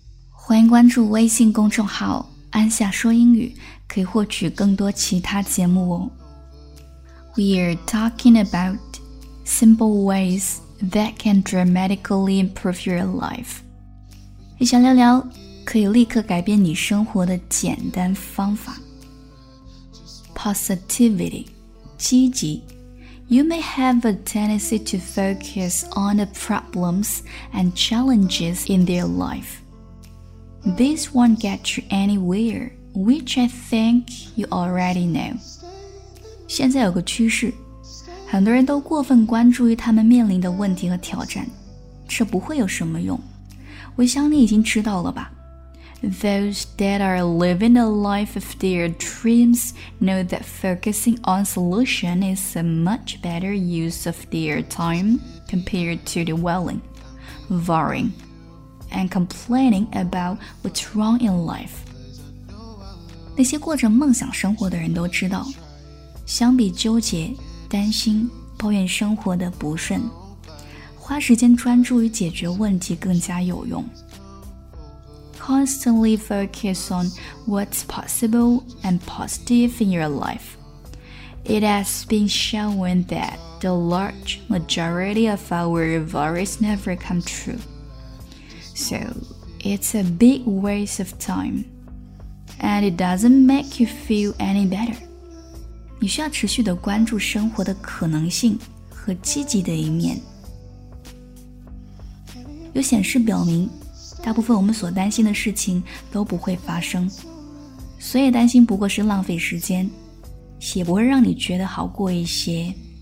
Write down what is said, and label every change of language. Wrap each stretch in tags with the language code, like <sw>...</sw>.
<zh>欢迎关注微信公众号安夏说英语，可以获取更多其他节目哦。</zh> <en>We're talking about simple ways that can dramatically improve your life.</en> <zh>一想聊聊可以立刻改变你生活的简单方法。</zh> <en>Positivity, 积极。</en> <zh>You may have a tendency to focus on the problems and challenges in their life. This won't get you anywhere, which I think you already know. 现在有个趋势，很多人都过分关注于他们面临的问题和挑战，这不会有什么用。我想你已经知道了吧。</zh> <en>Those that are living a life of their dreams know that focusing on solution is a much better use of their time compared to dwelling, worrying, and complaining about what's wrong in life.</en> <zh>那些过着梦想生活的人都知道，相比纠结、担心、抱怨生活的不顺，花时间专注于解决问题更加有用。</zh> <en>Constantly focus on what's possible and positive in your life. It has been shown that the large majority of our worries never come true. So, it's a big waste of time. And it doesn't make you feel any better.</en> <zh>你需要持续地关注生活的可能性和积极的一面。有显示表明，大部分我们所担心的事情都不会发生，所以担心不过是浪费时间，也不会让你觉得好过一些。</zh>